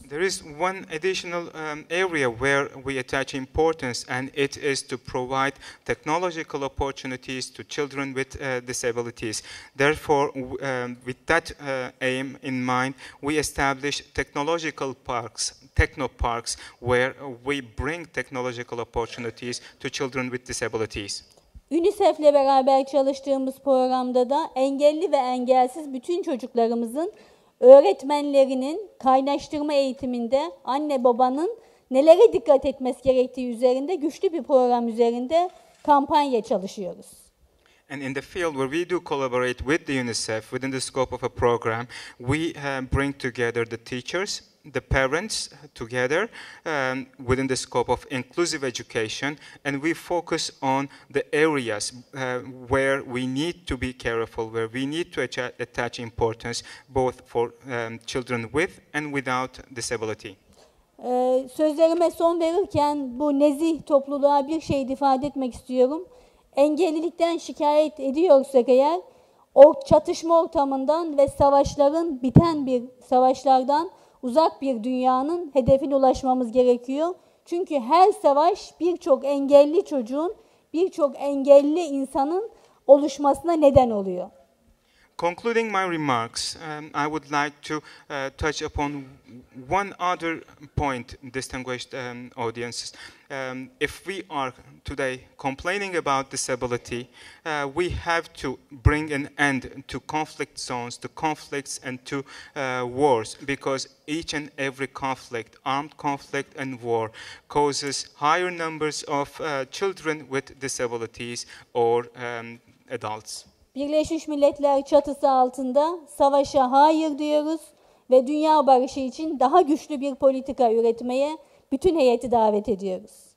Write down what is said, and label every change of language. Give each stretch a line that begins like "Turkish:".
English: There is one additional area where we attach importance, and it is to provide technological opportunities to children with disabilities. Therefore, with that aim in mind, we establish technological parks, technoparks, where we bring technological opportunities to children with disabilities.
Turkish: UNICEF ile beraber çalıştığımız programda da engelli ve engelsiz bütün çocuklarımızın öğretmenlerinin kaynaştırma eğitiminde anne babanın nelere dikkat etmesi gerektiği üzerinde güçlü bir program üzerinde kampanya çalışıyoruz.
English: And in the field where we do collaborate with the UNICEF within the scope of a program, we bring together the teachers, the parents together within the scope of inclusive education, and we focus on the areas where we need to be careful, where we need to attach importance both for children with and without disability.
Turkish: Sözlerime son verirken bu nezih topluluğa bir şey ifade etmek istiyorum. Engellilikten şikayet ediyorsak eğer, o çatışma ortamından ve savaşların biten bir savaşlardan uzak bir dünyanın hedefine ulaşmamız gerekiyor. Çünkü her savaş birçok engelli çocuğun, birçok engelli insanın oluşmasına neden oluyor.
English: Concluding my remarks, I would like to touch upon one other point, distinguished audiences. If we are today complaining about disability, we have to bring an end to conflict zones, to conflicts and to wars, because each and every conflict, armed conflict and war, causes higher numbers of children with disabilities or adults.
Turkish: Birleşmiş Milletler çatısı altında savaşa hayır diyoruz ve dünya barışı için daha güçlü bir politika üretmeye bütün heyeti davet ediyoruz.